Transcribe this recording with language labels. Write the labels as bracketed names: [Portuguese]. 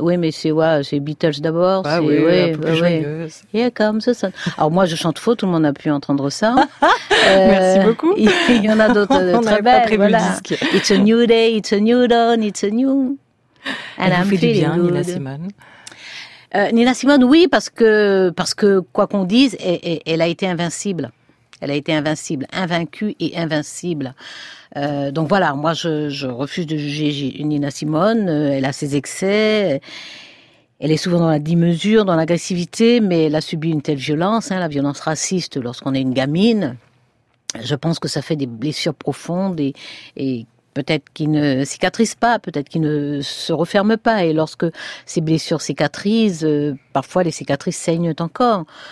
[French] Oui, mais c'est, ouais, c'est Beatles d'abord. Ah c'est, oui, ouais, un peu plus ouais. Joyeuse. [English] Here Comes the Sun. [French] Alors moi, je chante faux, tout le monde a pu entendre ça. Merci beaucoup. Il y en a d'autres on très belles. On n'avait pas prévu voilà. Le disque. [English] It's a new day, it's a new dawn, it's a new... And I'm feeling good. [French] Vous faites du bien, Nina Simone. Nina Simone, oui, parce que quoi qu'on dise, elle a été invincible. Elle a été invincible, invaincue et invincible. Donc voilà, moi je refuse de juger Nina Simone, elle a ses excès, elle est souvent dans la démesure, dans l'agressivité, mais elle a subi une telle violence, hein, la violence raciste lorsqu'on est une gamine, je pense que ça fait des blessures profondes et peut-être qu'ils ne cicatrisent pas, peut-être qu'ils ne se referment pas, et lorsque ces blessures cicatrisent, parfois les cicatrices saignent encore.